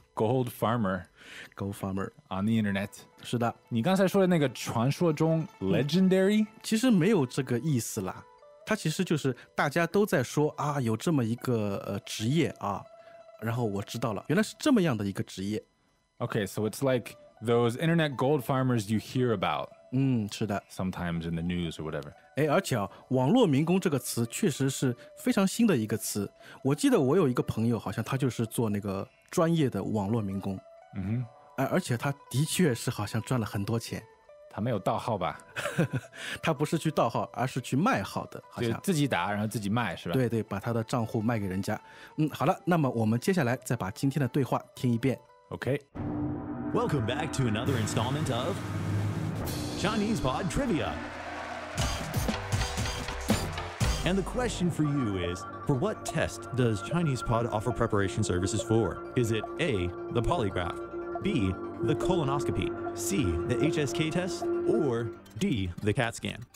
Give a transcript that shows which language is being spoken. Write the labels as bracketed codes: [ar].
[en] Gold farmer Gold farmer On the internet [zh] 是的你刚才说的那个传说中 Legendary、嗯、其实没有这个意思啦它其实就是大家都在说啊，有这么一个、职业啊，然后我知道了原来是这么样的一个职业 [en] OK so it's like those internet gold farmers you hear about [zh] 嗯，是的 [en] Sometimes in the news or whatever [zh] 哎，而且、啊、网络民工这个词确实是非常新的一个词我记得我有一个朋友好像他就是做那个专业的网络民工、嗯、哎，而且他的确是好像赚了很多钱他没有盗号吧他不是去盗号而是去卖号的好像就自己打然后自己卖是吧对对把他的账户卖给人家嗯，好了那么我们接下来再把今天的对话听一遍 [en] OK Welcome back to another installment of Chinese Pod TriviaAnd the question for you is, for what test does ChinesePod offer preparation services for? Is it A, the polygraph, B, the colonoscopy, C, the HSK test, or D, the CAT scan?